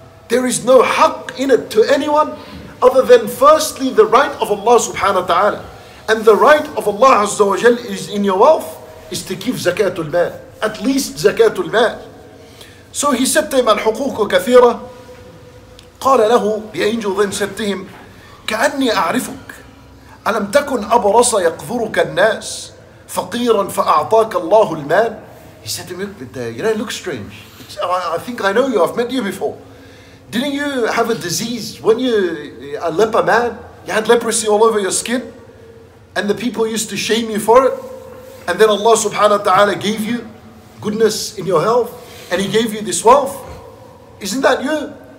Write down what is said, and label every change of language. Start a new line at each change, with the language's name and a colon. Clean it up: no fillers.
English: There is no haqq in it to anyone other than firstly the right of Allah subhanahu wa ta'ala. And the right of Allah azza wa jal is in your wealth is to give zakatul mal, at least zakatul mal. So he said to him,
Arabic: al-huququ kathira.
English: Qala lahu, the angel then said to him,
Arabic: ka'anni a'rifu. ألم تكن أبرص يقذرك الناس فقيرا فأعطاك الله المال
English: He said to me, you know, look strange. I think I know you, I've met you before. Didn't you have a disease when you, a leper man, you had leprosy all over your skin and the people used to shame you for it and then Allah subhanahu wa ta'ala gave you goodness in your health and He gave you this wealth. Isn't that you?